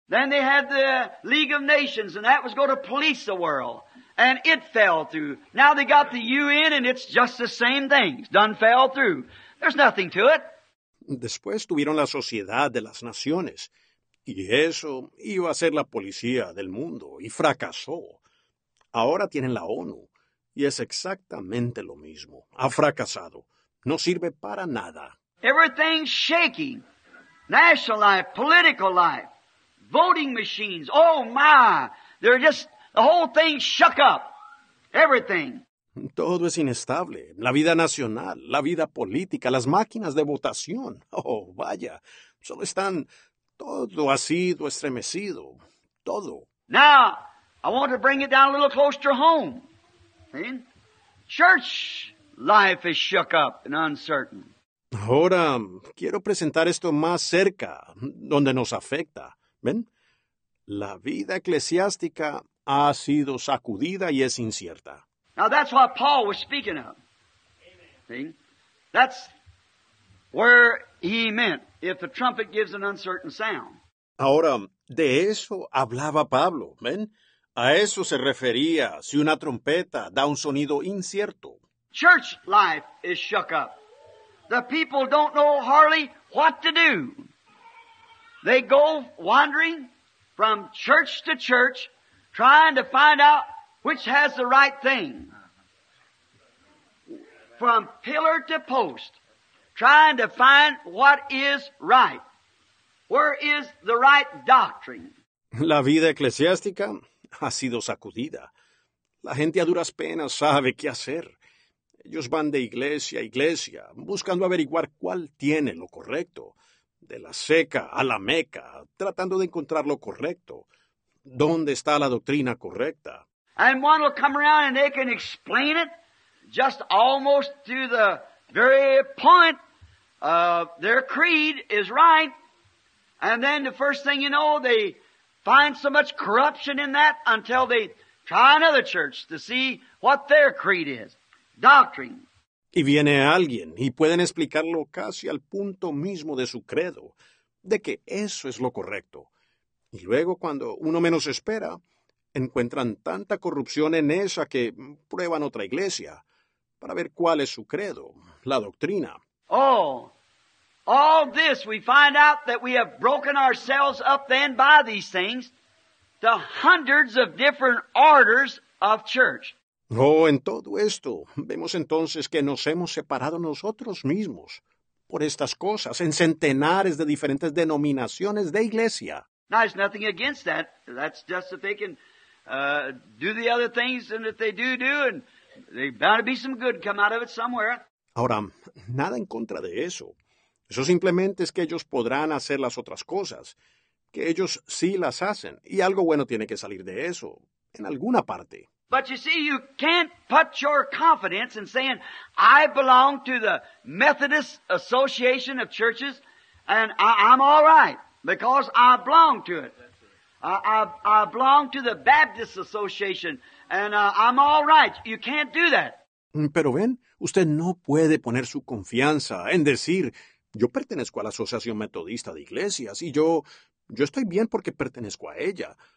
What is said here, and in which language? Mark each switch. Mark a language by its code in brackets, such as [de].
[en] Then they had the League of Nations, and that was going to police the world, and it fell through. Now they got the UN, and it's just the same thing. Done fell through. There's nothing to it. [es] Después tuvieron la Sociedad de las Naciones, y eso iba a ser la policía del mundo, y fracasó. Ahora tienen la ONU, y es exactamente lo mismo. Ha fracasado. No sirve para nada. [en] Everything's shaking. National life, political life, voting machines. Oh, my. They're just, the whole thing shook up. Everything. [es] Todo es inestable. La vida nacional, la vida política, las máquinas de votación. Oh, vaya. Solo están, todo ha sido estremecido. Todo. [en] Now, I want to bring it down a little closer to home. See? Church life is shook up and uncertain. [es] Ahora, quiero presentar esto más cerca, donde nos afecta. ¿Ven? La vida eclesiástica ha sido sacudida y es incierta. [en] Now that's what Paul was speaking of. Amen. See? That's where he meant, if the trumpet gives an uncertain sound. [es] Ahora, de eso hablaba Pablo. ¿Ven? A eso se refería, si una trompeta da un sonido incierto. [en] Church life is shook up. The people don't know hardly what to do. They go wandering from church to church, trying to find out which has the right thing. From pillar to post, trying to find what is right. Where is the right doctrine? [es] La vida eclesiástica ha sido sacudida. La gente a duras penas sabe qué hacer. Ellos van de iglesia a iglesia, buscando averiguar cuál tiene lo correcto. De la seca a la meca, tratando de encontrar lo correcto. ¿Dónde está la doctrina correcta? [en] And one will come around and they can explain it just almost to the very point of their creed is right. And then the first thing you know, they find so much corruption in that until they try another church to see what their creed is. Doctrine. [es] Y viene alguien y pueden explicarlo casi al punto mismo de su credo, de que eso es lo correcto. Y luego, cuando uno menos espera, encuentran tanta corrupción en esa que prueban otra iglesia para ver cuál es su credo, la doctrina. [en] Oh, all this we find out that we have broken ourselves up then by these things to hundreds of different orders of church. [es] Oh, en todo esto, vemos entonces que nos hemos separado nosotros mismos por estas cosas en centenares de diferentes denominaciones de iglesia. [en] Now, there's nothing against that. That's just if they can do the other things and if they do, and there's bound to be some good come out of it somewhere. [es] Ahora, nada en contra de eso. Eso simplemente es que ellos podrán hacer las otras cosas, que ellos sí las hacen, y algo bueno tiene que salir de eso, en alguna parte. [en] But you see, you can't put your confidence in saying, I belong to the Methodist Association of Churches, and I'm all right, because I belong to it. I belong to the Baptist Association, and I'm all right. You can't do that. [es] Pero ven, usted no puede poner su confianza en decir, yo pertenezco a la Asociación Metodista de Iglesias, y yo estoy bien porque pertenezco a ella.